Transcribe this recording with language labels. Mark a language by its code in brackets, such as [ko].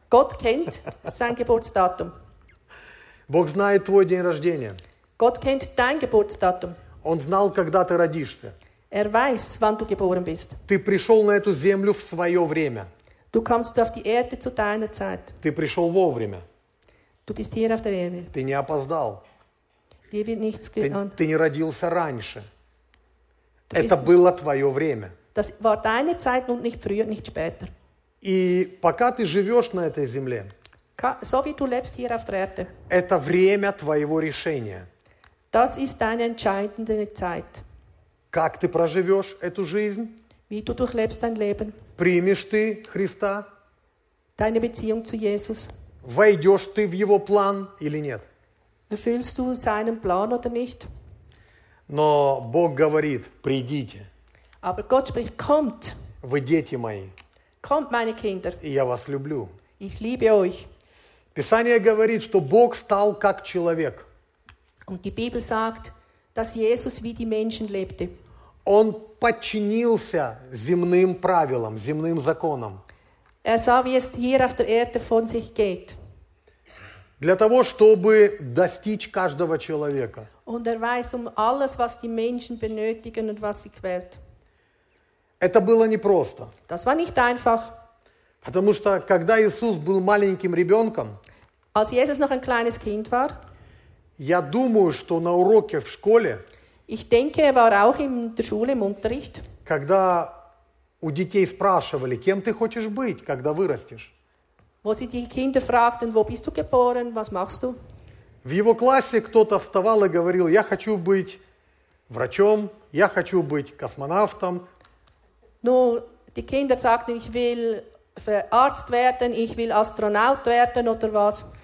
[de] Gott kennt sein Geburtsdatum. [ru] Бог знает твой день рождения. [de] Gott kennt dein Geburtsdatum. [ru] Он знал, когда ты родишься. [de] Er weiß, wann du geboren bist. [ru] Ты пришел на эту землю в свое время. [de] Du kommst auf die Erde zu deiner Zeit. [ru] Ты пришёл вовремя. [de] Du bist hier auf der Erde. [ru] Ты не опоздал. [de] Dir wird nichts getan. [ru] Ты не родился раньше. Это было твоё время. [de] Das war deine Zeit und nicht früher, nicht später. [ru] И пока ты живёшь на этой земле. [de] So wie du lebst hier auf der Erde. [ru] Это время твоего решения. [de] Das ist deine entscheidende Zeit. [ru] Как ты проживёшь эту жизнь? [de] Wie du durchlebst dein Leben. [ru] Примешь ты Христа? [de] Deine Beziehung zu Jesus. [ru] Войдёшь ты в его план или нет? [de] Erfüllst du seinen Plan oder nicht? [ru] Но Бог говорит: "Придите". [de] Aber Gott spricht: "Kommt". [ru] Вы дети мои. [de] Kommt, meine Kinder. [ru] И я вас люблю. [de] Ich liebe euch. [ru] Писание говорит, что Бог стал как человек. [de] Und die Bibel sagt, dass Jesus wie die Menschen lebte. [ru] Он подчинился земным правилам, земным законам. [de] Er sah, wie es hier auf der Erde von sich geht. [ru] Для того, чтобы достичь каждого человека. [de] Und er weiß um alles, was die Menschen benötigen und was sie quält. [ru] Это было непросто. [de] Das war nicht einfach. [ru] Потому что, когда Иисус был маленьким ребенком, [de] als Jesus noch ein kleines Kind war, [ru] я думаю, что на уроке в школе, [de] ich denke, er war auch in der Schule im Unterricht. [ru] Когда у детей спрашивали, кем ты хочешь быть, когда вырастешь. [de] Wo sie die Kinder fragten, wo bist du geboren, was machst du? [ru] В его классе кто-то вставал и говорил, я хочу быть врачом, я хочу быть космонавтом. [de] Ну, die Kinder sagten, ich will Arzt werden, ich will Astronaut werden oder was.